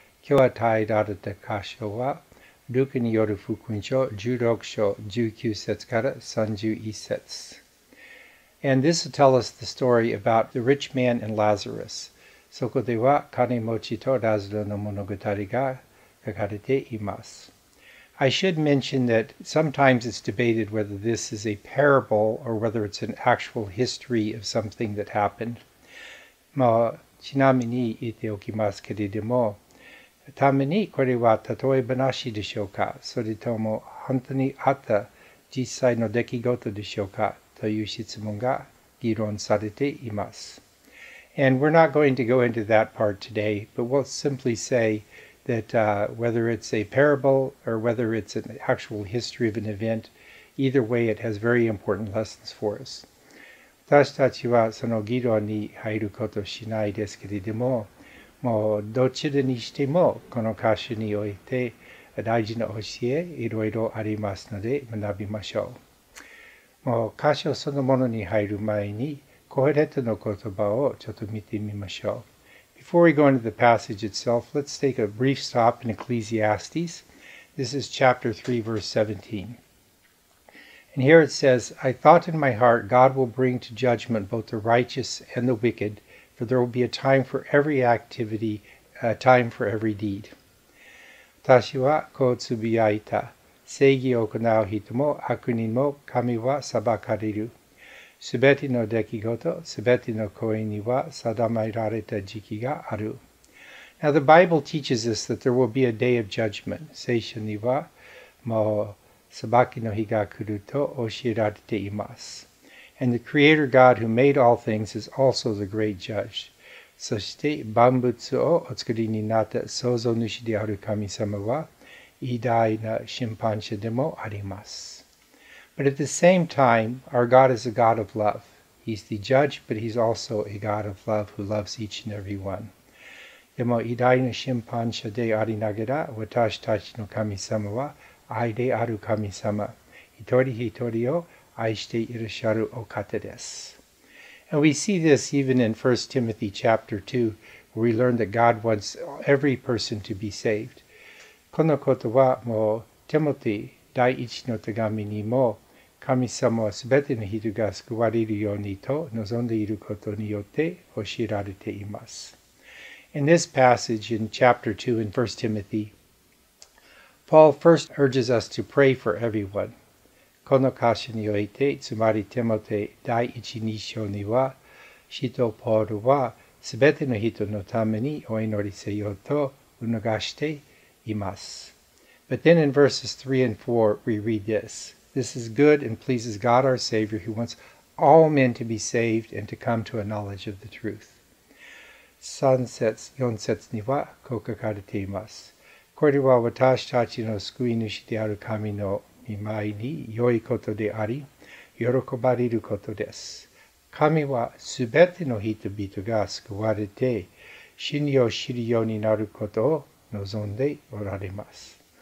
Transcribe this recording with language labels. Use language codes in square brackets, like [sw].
[ja] 今日は対立した箇所は、ルカによる福音書16章19節から31節。 [en] And this will tell us the story about the rich man and Lazarus. [ja] そこでは金持ちとラザロの物語が書かれています。 [en] I should mention that sometimes it's debated whether this is a parable or whether it's an actual history of something that happened. [ja] まあ、ちなみに言っておきますけれども、ためにこれは例え話でしょうか、それとも本当にあった実際の出来事でしょうかという質問が議論されています。 [en] And we're not going to go into that part today, but we'll simply say,That whether it's a parable or whether it's an actual history of an event, either way, it has very important lessons for us. [ja] 私たちはその議論に入ることしないですけれども、もうどちらにしてもこの箇所において大事な教えいろいろありますので学びましょう。もう箇所そのものに入る前にコヘレトの言葉をちょっと見てみましょう。 [en] Before we go into the passage itself, let's take a brief stop in Ecclesiastes. This is chapter 3, verse 17. And here it says, I thought in my heart, God will bring to judgment both the righteous and the wicked, for there will be a time for every activity, a time for every deed. [ja] 私はこうつぶやいた。正義を行う人も悪人も神は裁かれる。全ての出来事、全ての声には定められた時期がある。 [en] Now the Bible teaches us that there will be a day of judgment. [ja] 聖書にはもう裁きの日が来ると教えられています。 [en] And the Creator God who made all things is also the great judge. [ja] そして万物をお作りになった創造主である神様は偉大な審判者でもあります。 [en] But at the same time, our God is a God of love. He's the judge, but he's also a God of love who loves each and every one. [ja] でも偉大な審判者でありながら、私たちの神様は愛である神様。一人一人を愛していらっしゃるお方です。 [en] And we see this even in 1 Timothy chapter 2, where we learn that God wants every person to be saved. [ja] このことはもう、テモティ、第一の手紙にも神様はすべての人が救われるようにと望んでいることによって教えられています。 [en] In this passage in chapter 2 in 1 Timothy, Paul first urges us to pray for everyone. [ja] この箇所において、つまりテモテ第一二章には、使徒ポールはすべての人のためにお祈りせよと促しています。 [en] But then in verses 3 and 4, we read this. This is good and pleases God our Savior, who wants all men to be saved and to come to a knowledge of the truth. [ja] 3節、4節にはこう書かれています。これは私たちの救い主である神の御前に良いことであり、喜ばれることです。神はすべての人々が救われて、真理を知るようになることを望んでおられます。